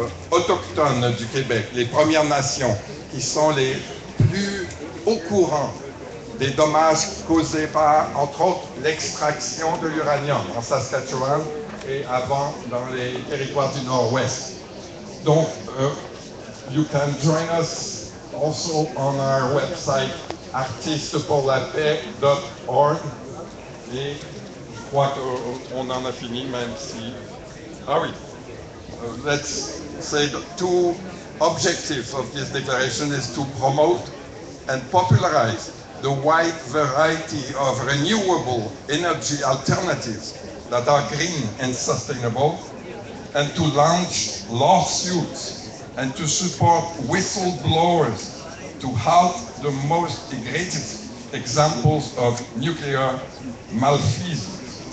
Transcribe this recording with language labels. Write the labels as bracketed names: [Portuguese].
[French] autochtones du Québec, les Premières Nations, qui sont les plus au courant des dommages causés par, entre autres, l'extraction de l'uranium en Saskatchewan et avant dans les territoires du Nord-Ouest. [English] Donc, you can join us also on our website artistesporlapaix.org. [French] Et je crois qu'on en a fini, même si... [English] Ah oui, let's say the two objectives of this declaration is to promote and popularize the wide variety of renewable energy alternatives that are green and sustainable, and to launch lawsuits and to support whistleblowers to halt the most egregious examples of nuclear malfeasance.